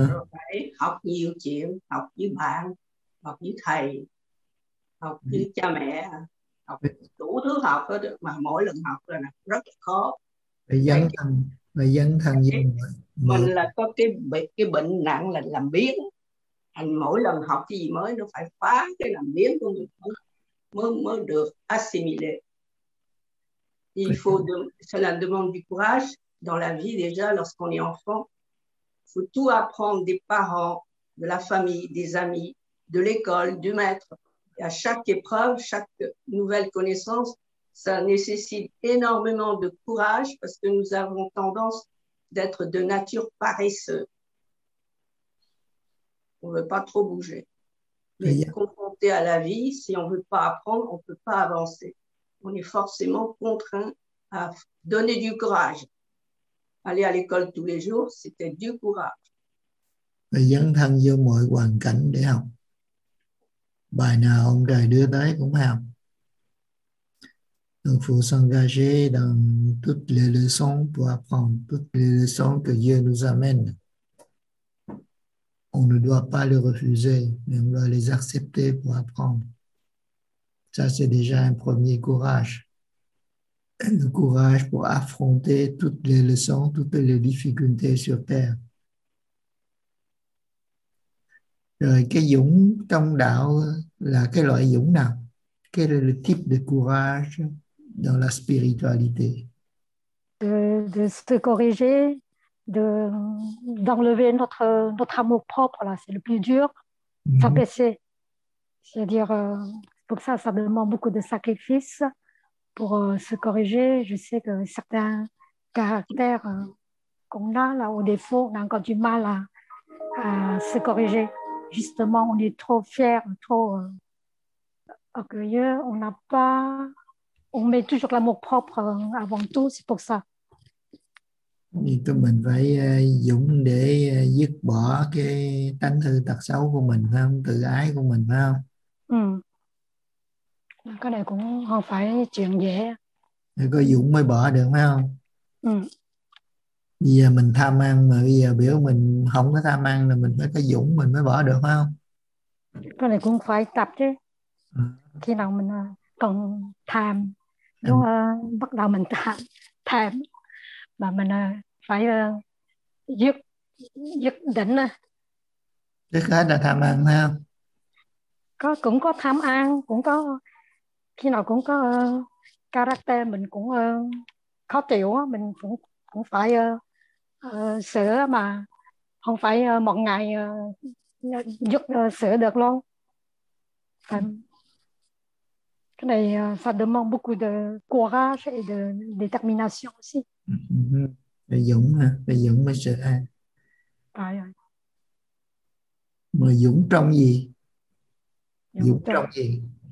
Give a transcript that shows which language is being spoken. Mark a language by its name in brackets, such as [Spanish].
[Vietnamese] Phải học nhiều chuyện, học với bạn, học với thầy, học với cha mẹ, học đủ thứ học hết, mà mỗi lần học là rất khó. Dấn thân với mình là có cái bệnh nặng là làm biến. Thành mỗi lần học cái gì mới nó phải phá cái làm biến của mình mới được assimilé. [French] Il faut cela demande du courage dans la vie déjà lorsqu'on est enfant. Il faut tout apprendre des parents, de la famille, des amis, de l'école, du maître. Et à chaque épreuve, chaque nouvelle connaissance, ça nécessite énormément de courage parce que nous avons tendance d'être de nature paresseux. On ne veut pas trop bouger. Mais oui. Confronté à la vie, si on ne veut pas apprendre, on ne peut pas avancer. On est forcément contraint à donner du courage. Aller à l'école tous les jours, c'était du courage. [Vietnamese] Dấn thân vô mọi hoàn cảnh để học. Bài nào ông trời đưa tới cũng học. [French] Il faut s'engager dans toutes les leçons pour apprendre toutes les leçons que Dieu nous amène. On ne doit pas les refuser, mais on doit les accepter pour apprendre. Ça, c'est déjà un premier courage. Le courage pour affronter toutes les leçons, toutes les difficultés sur terre. [Vietnamese] Rồi cái dũng trong đạo là cái loại dũng nào? [French] Quel est le type de courage dans la spiritualité? De se corriger, d'enlever notre amour propre, là, c'est le plus dur. S'apaiser. C'est-à-dire, pour ça, ça demande beaucoup de sacrifices pour se corriger. Je sais que certains caractères qu'on a, là, au défaut, on a encore du mal à se corriger. Justement, on est trop fier, trop orgueilleux. On n'a pas. On met toujours l'amour propre avant tout, c'est pour ça. [Vietnamese] Nên tụi mình phải dũng để dứt bỏ cái tánh hư tật xấu của mình, phải không? Tự ái của mình, phải không? Ừ. Cái này cũng không phải chuyện dễ. Phải có dũng mới bỏ được, phải không? Ừ. Bây giờ mình tham ăn mà bây giờ biểu mình không có tham ăn là mình phải có dũng mình mới bỏ được, phải không? Cái này cũng phải tập chứ. Khi nào mình còn tham, đúng không? Bắt đầu mình tham mà mình phải dứt đỉnh. Trước hết là tham ăn, phải không? Có, cũng có tham ăn, cũng có khi nào cũng có character mình cũng khó chịu, mình cũng phải sửa, mà không phải một ngày giúp sửa được luôn. Cái này [French] ça demande beaucoup de courage et de détermination aussi. [Vietnamese] Dũng hả? Dũng mới sửa ai? Phải rồi. Mà dũng trong gì? Dũng trong gì?